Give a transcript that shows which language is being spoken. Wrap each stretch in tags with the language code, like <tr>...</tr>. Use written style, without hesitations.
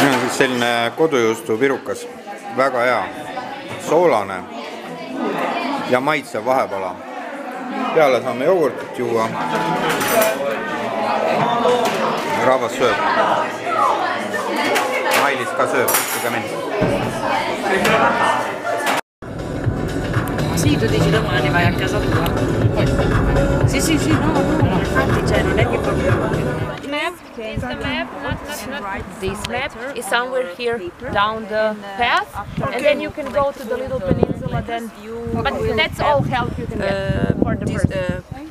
<et>Selline kodujuustu virukas, väga hea, soolane ja maitsev vahepala. Peale saame jogurtit juua. Rahvas sööb. Mailis ka sööb, kõige mind.</et> <it>sì, tu dici domani vai a casa tua. Sì, sì, sì, no, no, no. Infatti, cioè, non è che proprio...</it> <en>Is the map, not this map, is somewhere here down the path, and then you can go to the little peninsula, then you... But that's all help you can get for the person.</en>